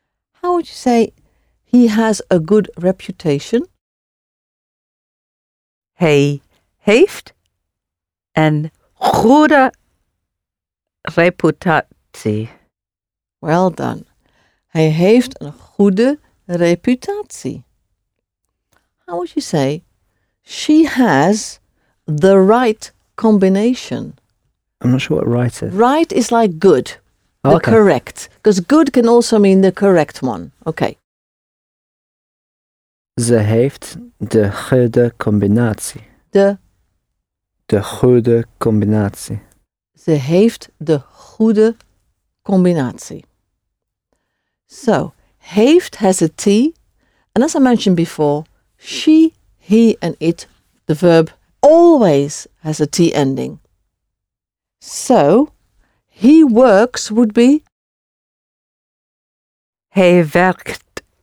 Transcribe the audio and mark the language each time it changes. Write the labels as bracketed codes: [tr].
[en] How would you say he has a good reputation? [nl] Hij heeft een goede reputatie. [en] Well done. [nl] Hij heeft een goede reputatie. [en] How would you say she has the right combination? I'm not sure what right is. Right is like good. Oh, the okay. Correct. Because good can also mean the correct one. Okay. [nl] Ze heeft de goede combinatie. De goede combinatie. Ze heeft de goede combinatie. [en] So, heeft has a T. And as I mentioned before, she, he and it, the verb, always has a T ending. So, he works would be? [nl] Hij werkt.